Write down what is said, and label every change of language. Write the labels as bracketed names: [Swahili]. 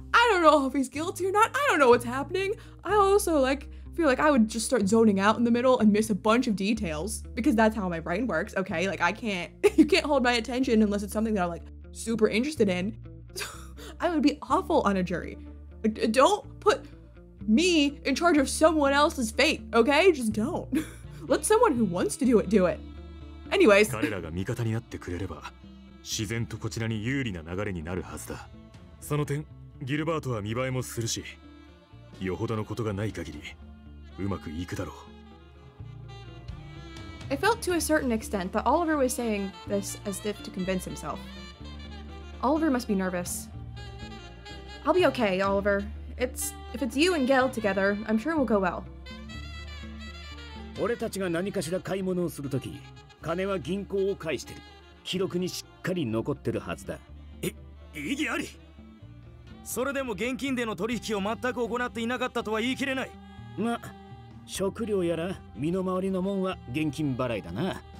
[English] I don't know if he's guilty or not. I don't know what's happening. I also, like, feel like I would just start zoning out in the middle and miss a bunch of details, because that's how my brain works, okay? Like, I can't... You can't hold my attention unless it's something that I'm, like, super interested in. I would be awful on a jury. Like, don't put me in charge of someone else's fate, okay? Just don't. Let someone who wants to do it, do it. Anyways. [Japanese] 彼らが味方になってくれれば、自然とこちらに有利な流れになるはずだ。その点、ギルバートは見栄えもするし、よほどのことがない限り、うまくいくだろう。 [English] I felt to a certain extent that Oliver was saying this as if to convince himself. Oliver must be nervous. I'll be okay, Oliver. If it's you and Gail together, I'm sure we'll go well. [Japanese] 俺たちが何かしら買い物をするとき、金は銀行を介してる。記録にしっかり残ってるはずだ。え、異議あり。それでも現金での取引を全く行っていなかったとは言い切れない。ま、食料やら身の回りのもんは現金払いだな。